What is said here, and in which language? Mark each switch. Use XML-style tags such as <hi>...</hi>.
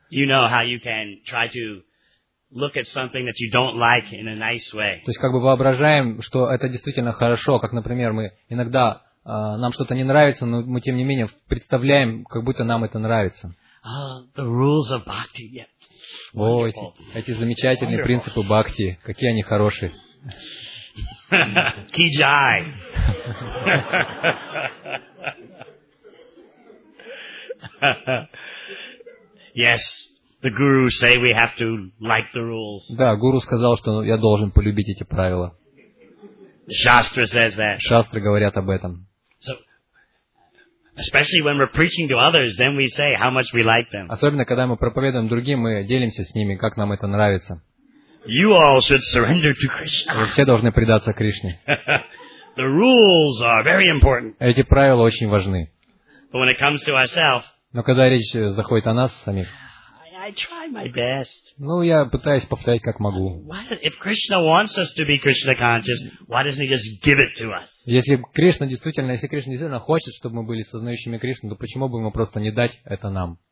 <en>You know how you can try to look at something that you don't like in a nice way.</en> <ru>То есть как бы воображаем, что это действительно хорошо, как, например, мы иногда нам что-то не нравится, но мы тем не менее представляем, как будто нам это нравится.</ru> <en>The rules of bhakti. Yeah.</en> <ru>О, эти замечательные</ru> <en>Wonderful.</en> <ru>Принципы бхакти, какие они хорошие. Kijai.</ru> <en>Yes, the guru say we have to like the rules.</en> <ru>Да, гуру сказал, что я должен полюбить эти правила.</ru> <en>Shastra says that.</en> <ru>Шастры говорят об этом.</ru> <en>So, especially when we're preaching to others, then we say how much we like them.</en> <ru>Особенно когда мы проповедуем другим, мы делимся с ними, как нам это нравится.</ru> <en>You all should surrender to Krishna.</en> <ru>Вы все должны предаться Кришне.</ru> <en>The rules are very important.</en> <ru>Эти правила очень важны.</ru> <en>But when it comes to ourselves,</en> <ru>но когда речь заходит о нас самих,</ru> <en>I try my best.</en> <ru>Ну, я пытаюсь повторять, как могу.</ru> <en>If Krishna wants us to be Krishna conscious, why doesn't he just give it to us?</en> <ru>Если Кришна действительно хочет, чтобы мы были сознающими Кришну, то почему бы ему просто не дать это нам?</ru>